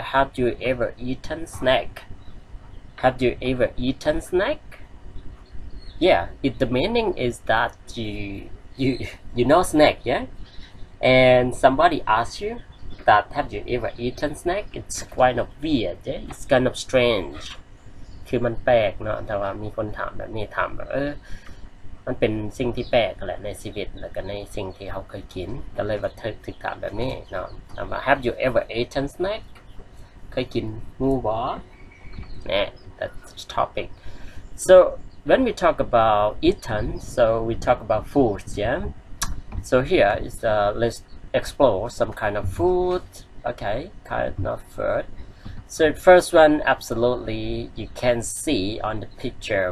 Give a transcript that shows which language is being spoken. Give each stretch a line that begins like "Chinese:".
English: Have you ever eaten snack? Have you ever eaten snack? Yeah, it, the meaning is that you know snack, yeah? And somebody asks you that, have you ever eaten snack? It's kind of weird, yeah? It's kind of strange.
Thai: คือมันแปลกเนาะแต่ว่ามีคนถามแบบนี้ถามแบบมันเป็นสิ่งที่แปลกแหละในชีวิตแล้วก็ในสิ่งที่เขาเคยกินก็เลยว่าถึงถามแบบนี้เนาะถามว่า
English: have you ever eaten snack?
Thai: เคยกินงูบอนี่
English: that's topic. So when we talk about eaten, so we talk about foods, yeah? So here is let's explore some kind of food. Okay, kind of food. So first one, absolutely you can see on the picture.